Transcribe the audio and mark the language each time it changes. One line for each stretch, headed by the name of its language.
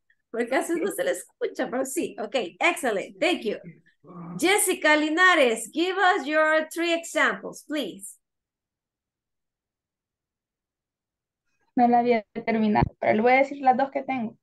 Spanish: Porque casi no se le escucha, pero sí.
English: Okay, excellent. Thank you. Jessica Linares, give us your three examples, please.
Spanish: No la había terminado, pero le voy a decir las dos que tengo.